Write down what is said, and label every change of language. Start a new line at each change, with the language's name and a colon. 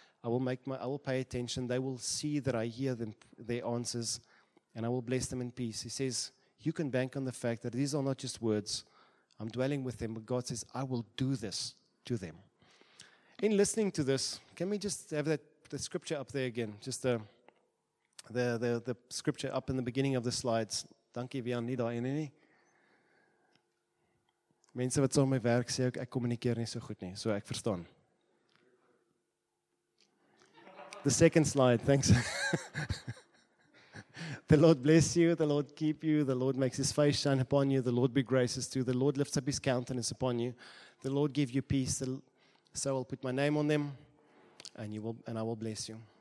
English: I will pay attention. They will see that I hear them, their answers, and I will bless them in peace. He says, you can bank on the fact that these are not just words. I'm dwelling with them, but God says, I will do this. to them. In listening to this, can we just have that the scripture up there again? Just the scripture up in the beginning of the slides.
Afrikaans: Dankie vir aan Nida en nie. Mense wat saam my werk sê ek kommunikeer nie so goed nie, so ek verstaan.
English: The second slide, thanks. The Lord bless you, the Lord keep you, the Lord makes his face shine upon you, the Lord be gracious to you, the Lord lifts up his countenance upon you, the Lord give you peace, so I'll put my name on them, and I will bless you.